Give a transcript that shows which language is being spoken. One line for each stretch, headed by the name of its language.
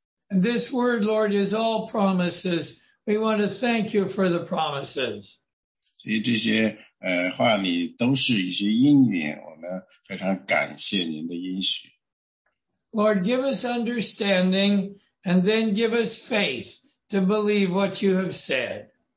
English: This Word, Lord, is all promises. We want to thank you for the promises.
Chinese: 所以这些话里都是一些应允，我们非常感谢您的应许。
English: Lord, give us understanding and then give us faith to believe what you have said.